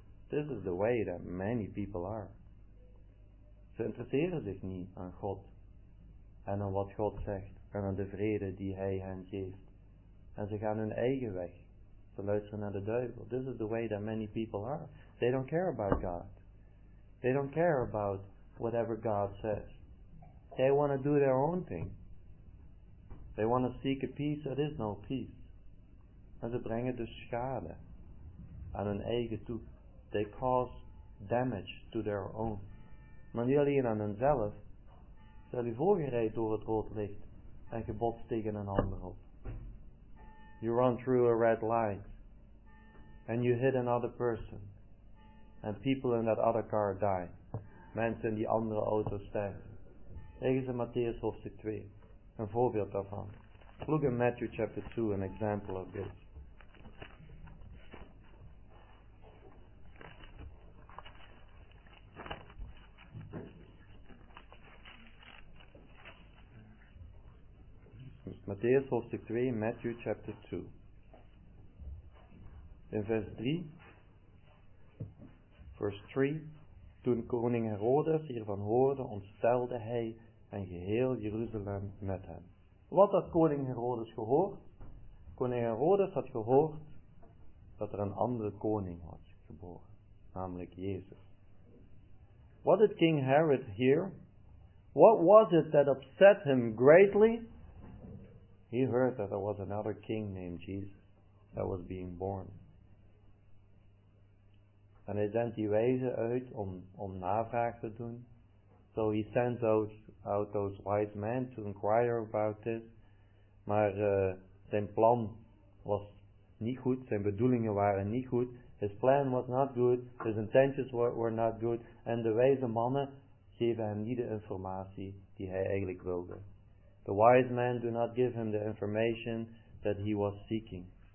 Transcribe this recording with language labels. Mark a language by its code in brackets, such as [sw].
[en] This is the way that many people are. [nl] Ze interesseren zich niet aan God en aan wat God zegt en aan de vrede die Hij hen geeft. En ze gaan hun eigen weg. Ze luisteren naar de duivel. [en] This is the way that many people are. They don't care about God. They don't care about whatever God says. They want to do their own thing. They want to seek a peace that is no peace. [nl] En ze brengen dus schade aan hun eigen toe. [en] They cause damage to their own. [nl] Maar niet alleen aan hunzelf. Stel je voor, je rijdt door het rood licht en je botst tegen een ander op. [en] You run through a red light and you hit another person. And people in that other car die. [nl] Mensen in die andere auto sterven. Lees in Matthäus hoofdstuk 2. Een voorbeeld daarvan. [en] Look in Matthew chapter 2, an example of this. [nl] Matthäus hoofdstuk 2, [en] Matthew chapter 2. [nl] In vers 3. Vers 3. Toen koning Herodes hiervan hoorde, ontstelde hij en geheel Jeruzalem met hem. Wat had koning Herodes gehoord? Koning Herodes had gehoord dat er een andere koning was geboren, namelijk Jezus. [en] What did King Herod hear? What was it that upset him greatly? He heard that there was another king named Jesus that was being born. [nl] En hij zendt die wijzen uit om navraag te doen. [en] So he sends out those wise men to inquire about this. [nl] Maar zijn plan was niet goed. Zijn bedoelingen waren niet goed. [en] His plan was not good. [nl] His intentions were not good. En de wijze mannen geven hem niet de informatie die hij eigenlijk wilde. [en] The wise men do not give him the information that he was seeking.